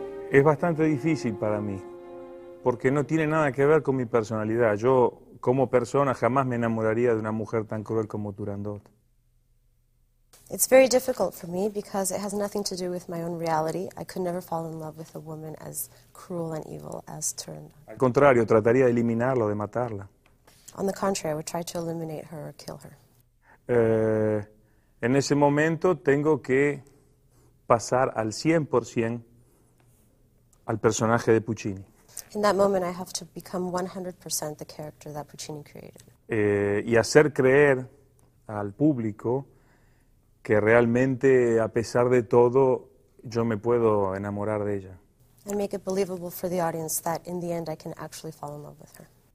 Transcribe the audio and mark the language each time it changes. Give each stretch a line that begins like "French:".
Spanish: Es bastante difícil para mí, porque no tiene nada que ver con mi personalidad. Yo, como persona, jamás me enamoraría de una mujer tan cruel como Turandot.
English: It's very difficult for me because it has nothing to do with my own reality. I could never fall in love with a woman as cruel and evil as Turandot.
Spanish: Al contrario, trataría de eliminarla, de matarla.
English: On the contrary, I would try to eliminate her or kill her.
Spanish: En ese momento tengo que pasar al 100% al personaje de Puccini.
English: In that moment I have to become 100% the character that Puccini created.
Spanish: Y hacer creer al público que realmente, a pesar de todo, yo me puedo enamorar de ella.
English: And make it believable for the audience that in the end I can actually fall in love with her.